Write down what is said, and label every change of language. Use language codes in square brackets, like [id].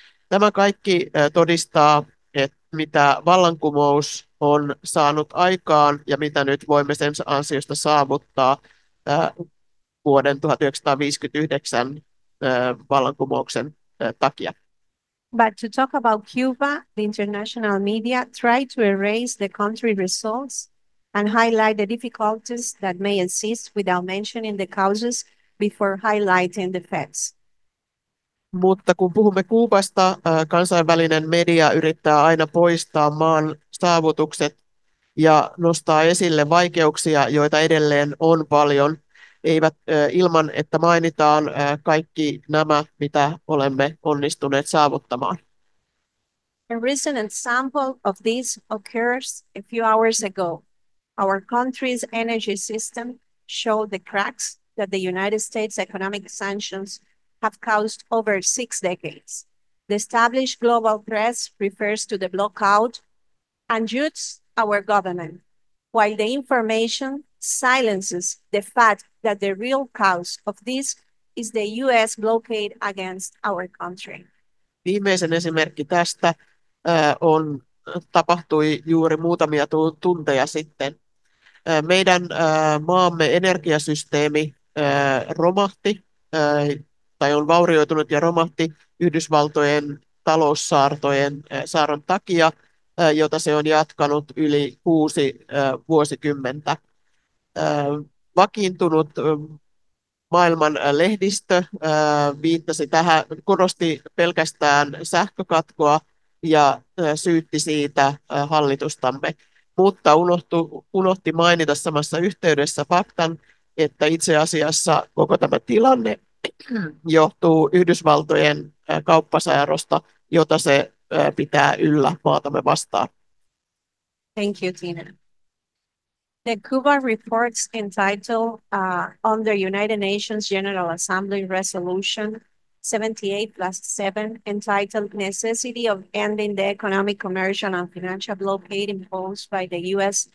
[fi] Tämä kaikki todistaa, että mitä vallankumous on saanut aikaan ja mitä nyt voimme sen ansiosta saavuttaa vuoden 1959 vallankumouksen takia. [en] But to talk about Cuba, the international media tried to erase the country results and highlight the difficulties that may exist without mentioning the causes before highlighting the facts. [fi] Mutta kun puhumme Kuubasta, kansainvälinen media yrittää aina poistaa maan saavutukset ja nostaa esille vaikeuksia, joita edelleen on paljon, eivät ilman, että mainitaan kaikki nämä, mitä olemme onnistuneet saavuttamaan. [en] A recent example of this occurs a few hours ago. Our country's energy system showed the cracks that the United States economic sanctions have caused over 6 decades. The established global press refers to the blockout and shoots our government, while the information silences the fact that the real cause of this is the US blockade against our country. [fi] Viimeisen esimerkki tästä tapahtui juuri muutamia tunteja sitten. Meidän maamme energiasysteemi romahti tai on vaurioitunut ja romahti Yhdysvaltojen taloussaartojen saaron takia, jota se on jatkanut yli 6 vuosikymmentä. Vakiintunut maailman lehdistö viittasi tähän, korosti pelkästään sähkökatkoa ja syytti siitä hallitustamme, mutta unohti mainita samassa yhteydessä faktan, että itse asiassa koko tämä tilanne johtuu Yhdysvaltojen kauppasäärosta, jota se pitää yllä maatamme vastaan. [en] Thank you, Tina. The Cuba report's entitled Under United Nations General Assembly Resolution 78+7, entitled Necessity of Ending the Economic, Commercial and Financial Blockade Imposed by the U.S.